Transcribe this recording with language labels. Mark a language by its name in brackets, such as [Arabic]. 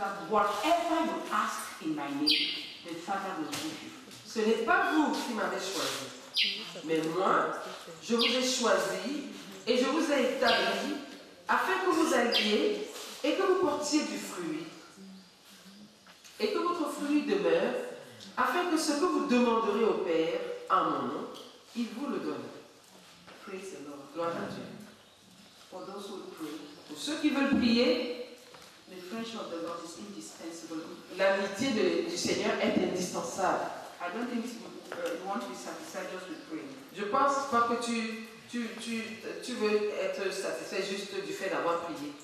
[English] Whatever you ask in my name, the Father will give you. [French] Ce n'est pas vous qui m'avez choisi, mais moi, je vous ai choisi et je vous ai établi afin que vous alliez et que vous portiez du fruit. Et que votre fruit demeure, afin que ce que vous demanderez au Père en mon nom, il vous le donne. [English] Praise the Lord. [French] Gloire à Dieu. [English] For those who pray. [French] Pour ceux qui veulent prier, [English] the friendship of the Lord is indispensable. [French] L'amitié du Seigneur est indispensable. [English] I don't think you want to be satisfied just with praying. [French] Je pense pas que tu veux être satisfait juste du fait d'avoir prié.